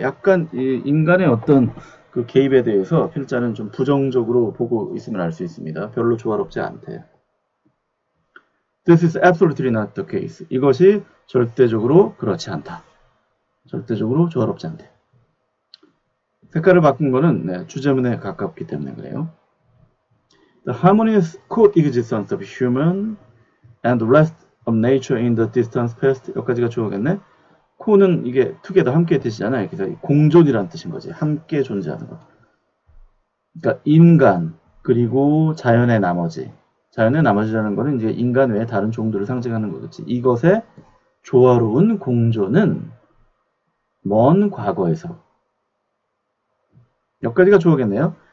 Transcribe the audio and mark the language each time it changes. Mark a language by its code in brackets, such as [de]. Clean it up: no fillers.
[ko] 약간 이 인간의 어떤 그 개입에 대해서 필자는 좀 부정적으로 보고 있음을 알수 있습니다. 별로 조화롭지 않대요. [en] This is absolutely not the case. [ko] 이것이 절대적으로 그렇지 않다. 절대적으로 조화롭지 않대. 색깔을 바꾼 거는 네, 주제문에 가깝기 때문에 그래요. [en] The harmonious coexistence of human and rest of nature in the distant past. [ko] 여기까지가 좋겠네. 코는 이게 together 함께 뜻이잖아요. 그래서 공존이라는 뜻인 거지. 함께 존재하는 거. 그러니까 인간 그리고 자연의 나머지. 자연의 나머지라는 거는 이제 인간 외에 다른 종들을 상징하는 거겠지. 이것의 조화로운 공존은 먼 과거에서. 여기까지가 좋겠네요.